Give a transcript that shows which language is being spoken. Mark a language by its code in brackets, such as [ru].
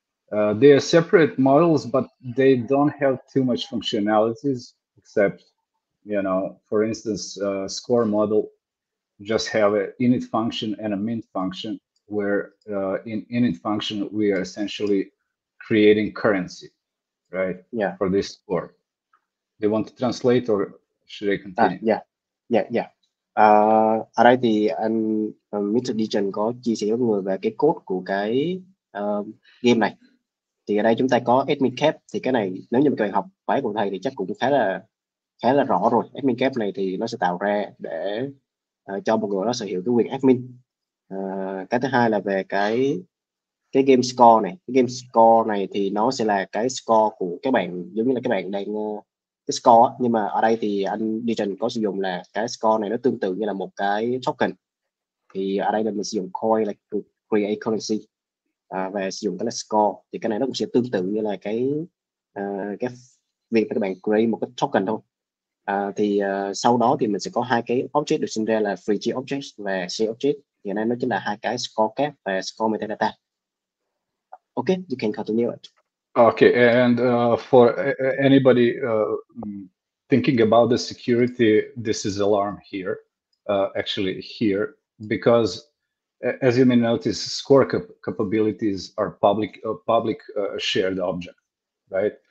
[en] They are separate models, but they don't have too much functionalities, except, you know, for instance, score model just have an init function and a mint function, where in init function, we are essentially creating currency, right? Yeah. For this score. They want to translate, or should I continue? [vi] Ở đây thì anh Mr. Dijon có chia sẻ với người về cái code của cái game này. Thì ở đây chúng ta có admin cap, thì cái này nếu như mà các bạn học bài của thầy thì chắc cũng khá là rõ rồi. Admin cap này thì nó sẽ tạo ra để cho một người nó sở hữu cái quyền admin. Cái thứ hai là về cái game score này. Cái game score này thì nó sẽ là cái score của các bạn, giống như là các bạn đang cái score, nhưng mà ở đây thì anh Dijon có sử dụng là cái score này nó tương tự như là một cái token. Thì ở đây là mình sử dụng coin là create currency và sử dụng cái là score, thì cái này nó cũng sẽ tương tự như là cái việc các bạn create một cái token thôi. Sau đó thì mình sẽ có hai cái object được sinh ra là free object và share object. Hiện nay nó chính là hai cái score cap và score metadata. [en] Ok, you can continue it. Okay, and for anybody thinking about the security, this is alarm here, actually here, because as you may notice, score capabilities are public shared object, right?